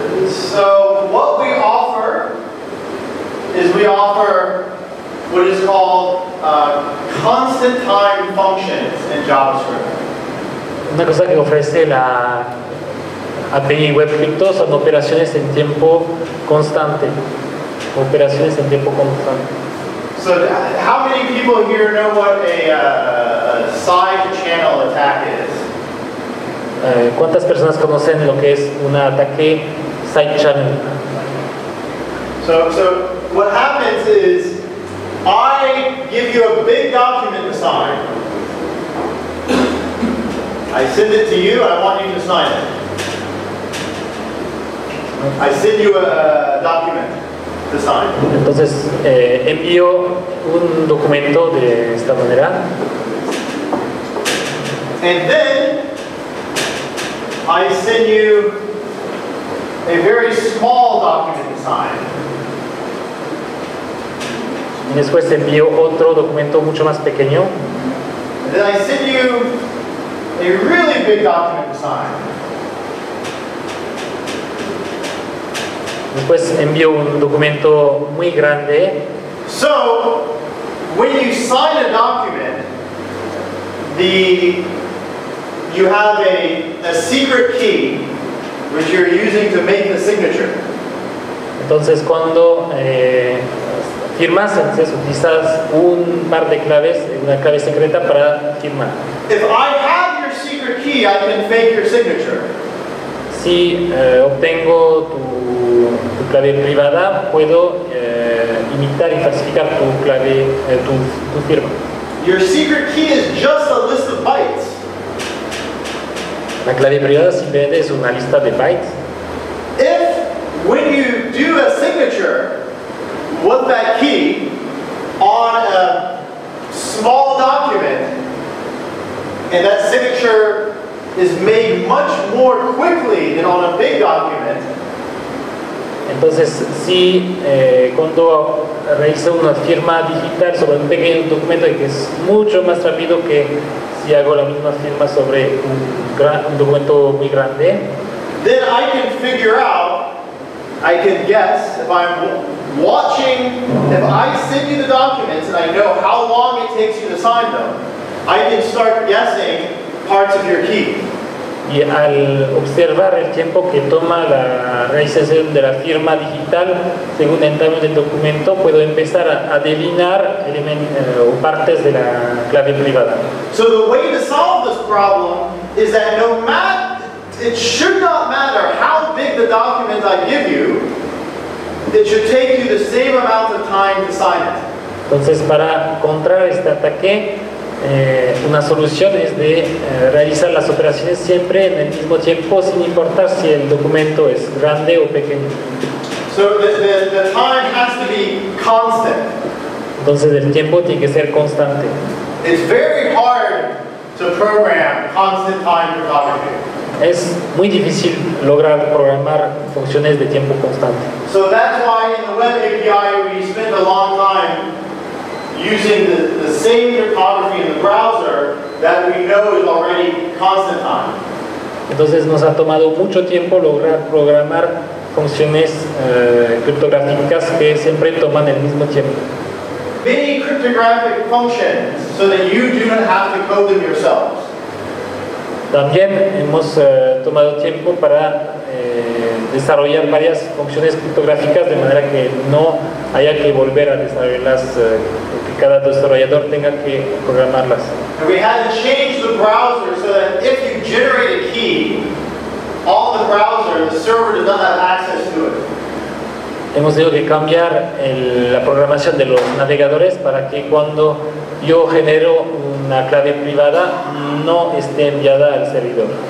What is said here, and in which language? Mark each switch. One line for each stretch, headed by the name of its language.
English: So, what we offer is we offer what is called constant time functions in JavaScript.
Spanish: Una cosa que ofrece la API Web Crypto son operaciones en tiempo constante. Operaciones en tiempo constante.
English: So, how many people here know what a side channel attack is?
Spanish: ¿Cuántas personas conocen lo que es un ataque side channel?
English: So what happens is I give you a big document to sign. I send it to you, I want you to sign it. I send you a document to sign.
Spanish: Entonces, envío un documento de esta manera.
English: And then, I send you a very small document to sign.
Spanish: Y después envío otro documento mucho más pequeño.
English: And then I send you a really big document to sign.
Spanish: Después envío un documento muy grande.
English: So, when you sign a document, you have a secret key which you're using to make the signature.
Spanish: Entonces, cuando firmas, entonces utilizas un par de claves, una clave secreta para firmar.
English: If I have your secret key, I can fake your signature.
Spanish: Si obtengo tu clave privada, puedo imitar y falsificar tu clave, tu firma.
English: Your secret key is just a list of bytes.
Spanish: La clave privada simplemente es una lista de bytes.
English: If, when you do a signature with that key on a small document, and that signature is made much more quickly than on a big document,
Spanish: entonces, si cuando realizo una firma digital sobre un pequeño documento, que es mucho más rápido que si hago la misma firma sobre un documento muy grande,
English: then I can figure out I can guess, if I'm watching, if I send you the documents and I know how long it takes you to sign them, I can start guessing parts of your key.
Spanish: Y al observar el tiempo que toma la realización de la firma digital, según entramos en el documento, puedo empezar a adivinar partes de la clave privada.
English: So the way to solve this problem is that no matter, it should not matter how big the document I give you, it should take you the same amount of time to sign it.
Spanish: Entonces, para contrarrestar este ataque, una solución es de realizar las operaciones siempre en el mismo tiempo, sin importar si el documento es grande o pequeño.
English: So the time has to be constant.
Spanish: Entonces el tiempo tiene que ser constante.
English: It's very hard to program constant time cryptography.
Spanish: Es muy difícil lograr programar funciones de tiempo constante.
English: So that's why in the web API we spend a long time using the same cryptography in the browser that we know is already constant time.
Spanish: Entonces nos ha tomado mucho tiempo lograr programar funciones criptográficas que siempre toman el mismo tiempo.
English: Many cryptographic functions so that you do not have to code them yourselves.
Spanish: También hemos tomado tiempo para desarrollar varias funciones criptográficas de manera que no haya que volver a desarrollarlas, que cada desarrollador tenga que programarlas.
English: And we had to change the browser so that if you generate a key, all the browser, the server does not have access to it.
Spanish: Hemos tenido que cambiar la programación de los navegadores para que cuando yo genero una clave privada no esté enviada al servidor.